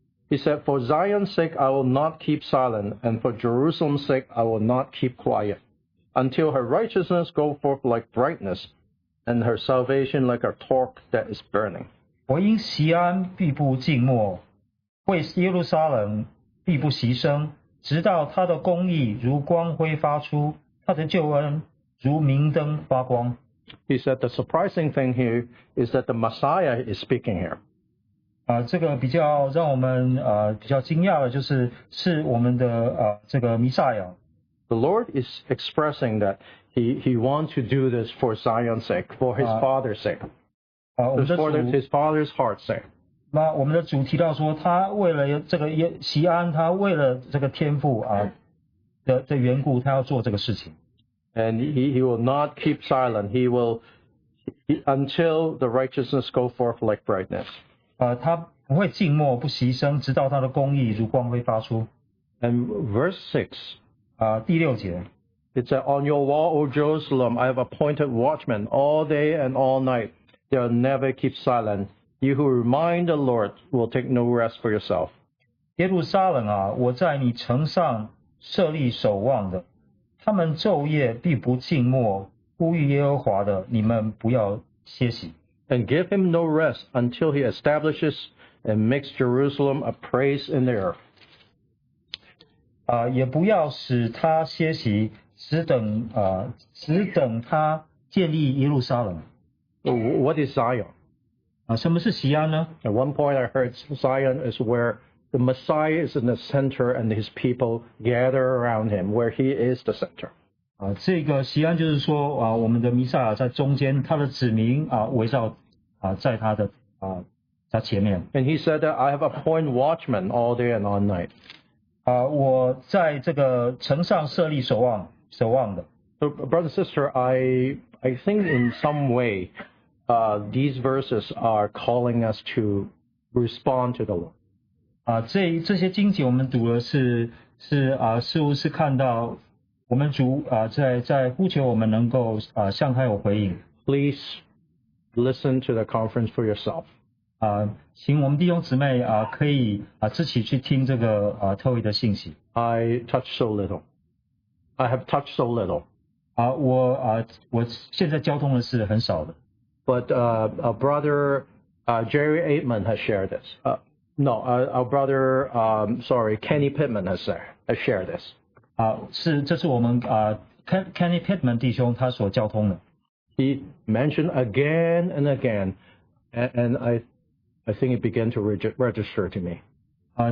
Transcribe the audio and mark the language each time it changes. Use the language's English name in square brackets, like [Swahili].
[English] He said, For Zion's sake, I will not keep silent, and for Jerusalem's sake, I will not keep quiet, until her righteousness go forth like brightness, and her salvation like a torch that is burning. [Chinese] 我因锡安必不静默，为耶路撒冷必不息声，直到他的公义如光辉发出，他的救恩如明灯发光。 [English] He said, The surprising thing here is that the Messiah is speaking here. [Chinese] 这个比较让我们比较惊讶的就是是我们的这个弥赛亚。 [English] The Lord is expressing that he wants to do this for Zion's sake, for his father's sake. For his father's heart's sake. [Chinese] 那我们的主提到说他为了这个锡安他为了这个天父的缘故他要做这个事情。 [English] And he will not keep silent, until the righteousness go forth like brightness. [Chinese] 他不会静默不息声直到他的公义如光辉发出。 [English] And verse 6, [Chinese] 第六节。 [English] It said, On your wall, O Jerusalem, I have appointed watchmen all day and all night. They'll never keep silent. You who remind the Lord will take no rest for yourself. [Chinese] 耶路撒冷啊我在你城上设立守望的。他们昼夜必不静默呼吁耶和华的你们不要歇息。 [English] And give him no rest until he establishes and makes Jerusalem a praise in the earth. [Chinese] 也不要使他歇息，只等他建立耶路撒冷。 [English] What is Zion? [Chinese] 什么是锡安呢？ [English] At one point I heard Zion is where the Messiah is in the center and his people gather around him, where he is the center. [Chinese] 这个锡安就是说我们的弥赛亚在中间他的子民围绕在他的在前面。 [English] And he said that I have appointed watchmen all day and all night. [Chinese] 我在这个城上设立守望的。 [English] So, brother, sister, I think in some way, these verses are calling us to respond to the Lord. [Chinese] 这些经节我们读的是似乎是看到我们主在呼求我们能够向他有回应。 [English] Please listen to the conference for yourself. [Chinese] 请我们弟兄姊妹可以自己去听这个特会的信息。 [English] I touch so little. I have touched so little. [Chinese] 我现在交通的是很少的。 [English] But our brother Jerry Aitman has shared this. No, our brother, Kenny Pittman has shared this. [Chinese] 这是我们Kenny Pittman 弟兄他所交通的。 [English] He mentioned again and again, and I think it began to register to me.